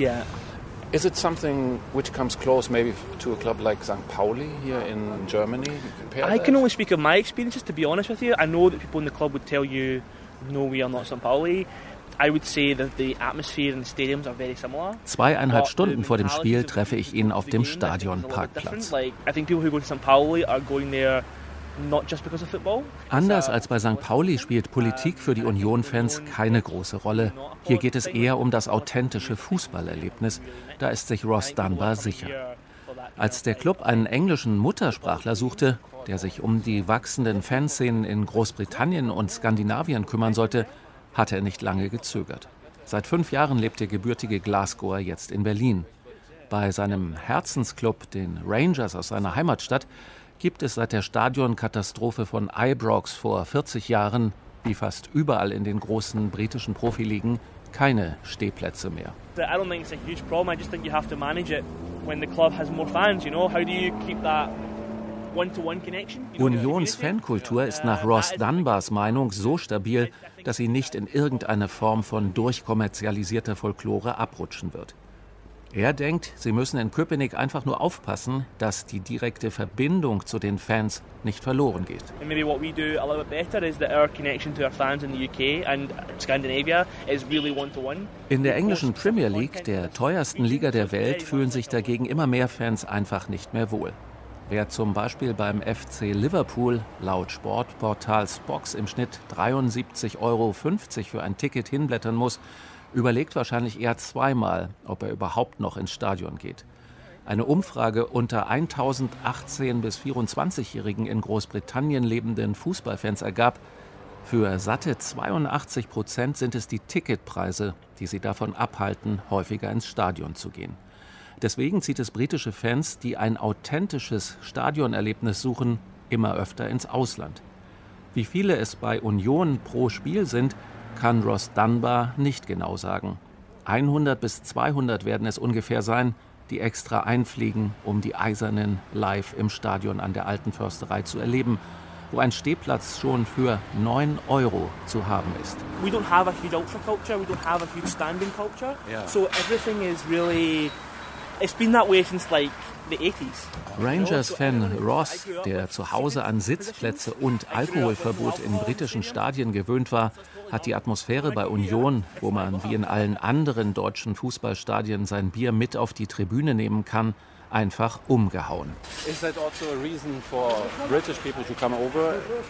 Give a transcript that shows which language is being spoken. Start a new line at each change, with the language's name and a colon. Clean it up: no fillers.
English: Yeah. Is it something which comes close maybe to a club like St. Pauli here in Germany? I can only speak of my experiences, to be honest with you. I know that people in the club would tell you, no, we are not St. Pauli. I would say that the atmosphere in the stadiums are very similar.
German: 2,5 Stunden vor dem Spiel treffe ich ihn auf dem Stadionparkplatz.
English: I think people who go to St. Pauli are going there not just because of football.
German: Anders als bei St. Pauli spielt Politik für die Union-Fans keine große Rolle. Hier geht es eher um das authentische Fußballerlebnis. Da ist sich Ross Dunbar sicher. Als der Club einen englischen Muttersprachler suchte, der sich um die wachsenden Fanszenen in Großbritannien und Skandinavien kümmern sollte, hat er nicht lange gezögert. Seit 5 Jahren lebt der gebürtige Glasgower jetzt in Berlin. Bei seinem Herzensclub, den Rangers aus seiner Heimatstadt, gibt es seit der Stadionkatastrophe von Ibrox vor 40 Jahren, wie fast überall in den großen britischen Profiligen, keine Stehplätze mehr.
English: I don't think it's a huge problem. I just think you have to manage it when the club has more fans, you know? How do you keep that one-to-one connection?
German: Unions Fankultur ist nach Ross Dunbars Meinung so stabil, dass sie nicht in irgendeine Form von durchkommerzialisierter Folklore abrutschen wird. Er denkt, sie müssen in Köpenick einfach nur aufpassen, dass die direkte Verbindung zu den Fans nicht verloren geht.
English: And maybe what we do a little bit better is that our connection to our fans in the UK and Scandinavia is really one-to-one.
German: In der englischen Premier League, der teuersten Liga der Welt, fühlen sich dagegen immer mehr Fans einfach nicht mehr wohl. Wer zum Beispiel beim FC Liverpool laut Sportportal Spox im Schnitt 73,50 Euro für ein Ticket hinblättern muss, überlegt wahrscheinlich eher zweimal, ob er überhaupt noch ins Stadion geht. Eine Umfrage unter 1018 bis 24-Jährigen in Großbritannien lebenden Fußballfans ergab, für satte 82% sind es die Ticketpreise, die sie davon abhalten, häufiger ins Stadion zu gehen. Deswegen zieht es britische Fans, die ein authentisches Stadionerlebnis suchen, immer öfter ins Ausland. Wie viele es bei Union pro Spiel sind, kann Ross Dunbar nicht genau sagen. 100 bis 200 werden es ungefähr sein, die extra einfliegen, um die Eisernen live im Stadion an der Alten Försterei zu erleben, wo ein Stehplatz schon für 9 Euro zu haben ist.
English: We don't have a huge ultra culture, we don't have a huge standing culture. So everything is really... It's been that way since like the 80s.
German: Rangers-Fan Ross, der zu Hause an Sitzplätze und Alkoholverbot in britischen Stadien gewöhnt war, hat die Atmosphäre bei Union, wo man wie in allen anderen deutschen Fußballstadien sein Bier mit auf die Tribüne nehmen kann, einfach umgehauen.
English: Is that also a reason for British people to come over?